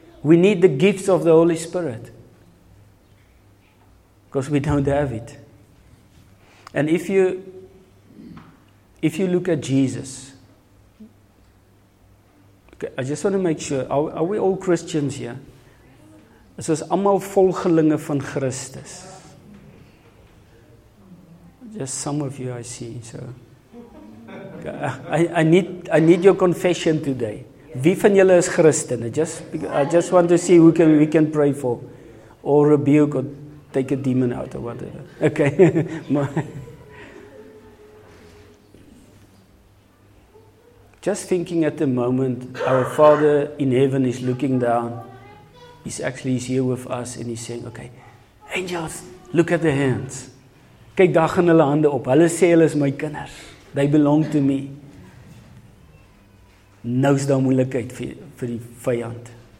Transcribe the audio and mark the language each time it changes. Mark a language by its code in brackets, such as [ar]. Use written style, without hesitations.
[en] We need the gifts of the Holy Spirit. Because we don't have it. And if you look at Jesus, I just want to make sure, are we all Christians here? [af] Is ons allemaal volgelinge van Christus? [en] Just some of you I see, so. I need your confession today. [af] Wie van julle is Christen? [en] I just want to see who can we can pray for. Or rebuke or take a demon out or whatever. Okay. Just thinking at the moment, our Father in heaven is looking down. He's here with us and he's saying, okay, angels, look at the hands. [af] Kyk, daar gaan hulle hande op. Hulle sê hulle is my kinders. [en] They belong to me. [af] Nou is daar moeilikheid vir die vijand.